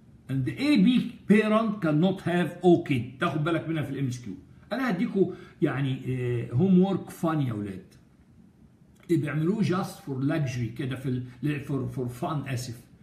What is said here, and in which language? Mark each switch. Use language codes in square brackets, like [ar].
[en] and the AB parent cannot have O kid. [ar] تاخد بالك منها في الMSQ. انا هديكوا يعني [en] homework fun [ar] يا اولاد. بيعملوه [en] just for luxury [ar] كده في for fun اسف.